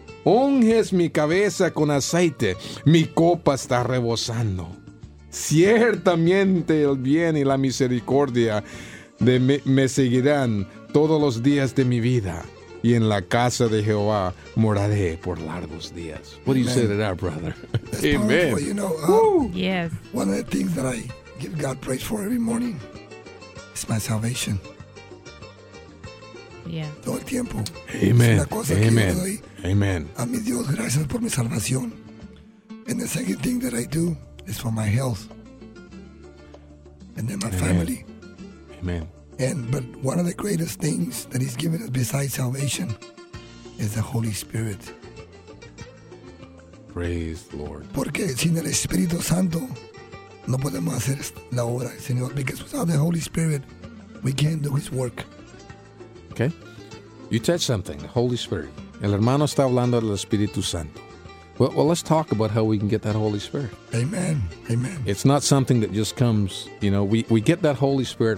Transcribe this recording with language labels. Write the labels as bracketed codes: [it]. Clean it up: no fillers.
[es] Unges mi cabeza con aceite, mi copa está rebosando. Ciertamente el bien y la misericordia me seguirán todos los días de mi vida, y en la casa de Jehová moraré por largos días. [en] What do you say to that, brother? That's amen. Powerful. You know, yes. One of the things that I give God praise for every morning is my salvation. Yeah. [es] Todo el tiempo. [en] Amen. Amen. Amen. [es] A mi Dios, gracias por mi salvación. [en] And the second thing that I do. It's for my health. And then my amen. Family. Amen. But one of the greatest things that He's given us besides salvation is the Holy Spirit. Praise the Lord. [es] Porque sin el Espíritu Santo no podemos hacer la obra, Señor. [en] Because without the Holy Spirit, we can't do His work. Okay. You touch something, the Holy Spirit. [es] El hermano está hablando del Espíritu Santo. [en] Well, let's talk about how we can get that Holy Spirit. Amen. Amen. It's not something that just comes, you know, we get that Holy Spirit.